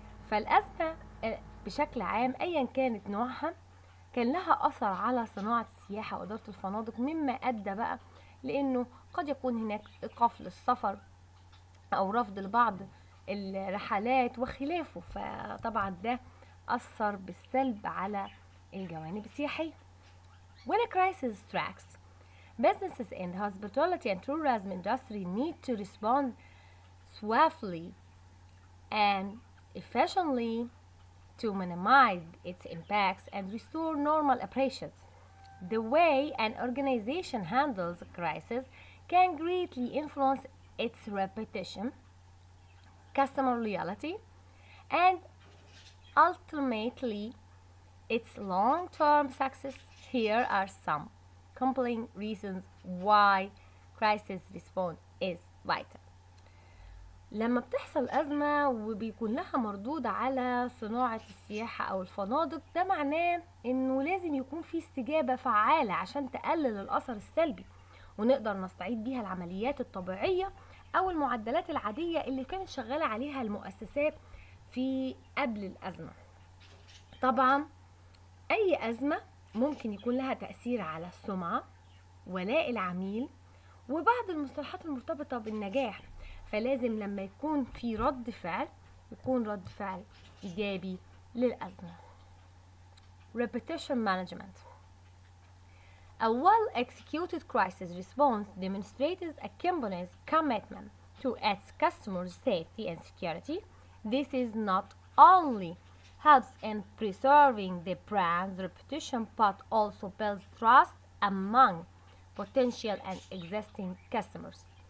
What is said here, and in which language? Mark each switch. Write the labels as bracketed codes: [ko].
[ar] فالأزمة بشكل عام أيا كانت نوعها كان لها أثر على صناعة السياحة وإدارة الفنادق، مما أدى بقى لأنه قد يكون هناك إيقاف للسفر أو رفض لبعض الرحلات وخلافه، فطبعا ده أثر بالسلب على الجوانب السياحية. [en] When a crisis strikes, businesses in the hospitality and tourism industry need to respond swiftly and efficiently to minimize its impacts and restore normal operations. The way an organization handles a crisis can greatly influence its reputation, customer loyalty, and ultimately its long-term success. Here are some compelling reasons why crisis response is vital. [ar] لما بتحصل أزمة وبيكون لها مردود على صناعة السياحة أو الفنادق، ده معناه إنه لازم يكون في استجابة فعالة عشان تقلل الأثر السلبي ونقدر نستعيد بيها العمليات الطبيعية أو المعدلات العادية اللي كانت شغالة عليها المؤسسات في قبل الأزمة. طبعا أي أزمة ممكن يكون لها تأثير على السمعة، ولاء العميل، وبعض المصطلحات المرتبطة بالنجاح. فلازم لما يكون في رد فعل يكون رد فعل إيجابي للأزمة. [en] Repetition management. A well-executed crisis response demonstrates a company's commitment to its customers' safety and security. This is not only helps in preserving the brand's reputation but also builds trust among potential and existing customers.